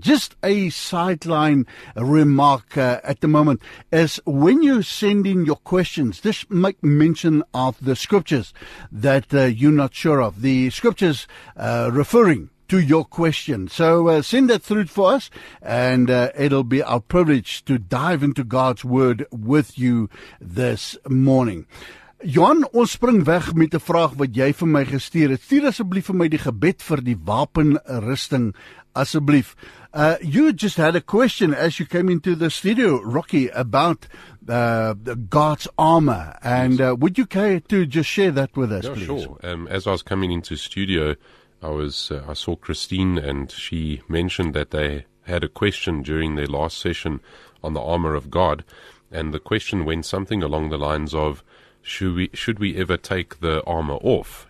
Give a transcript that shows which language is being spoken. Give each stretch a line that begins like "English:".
English: Just a sideline remark at the moment is when you send in your questions, just make mention of the scriptures that you're not sure of. The scriptures referring to your question. So send that through for us, and it'll be our privilege to dive into God's Word with you this morning.
Afrikaans: Johan, ons spring weg met 'n vraag wat jy vir my gestuur het. Stuur asseblief vir my die gebed vir die wapenrusting, asseblief.
English: You just had a question as you came into the studio, Rocky, about God's armor. And would you care to just share that with us, please? Yeah, sure. As I was coming into studio, I saw Christine, and she mentioned that they had a question during their last session on the armor of God, and the question went something along the lines of, should we ever take the armor off?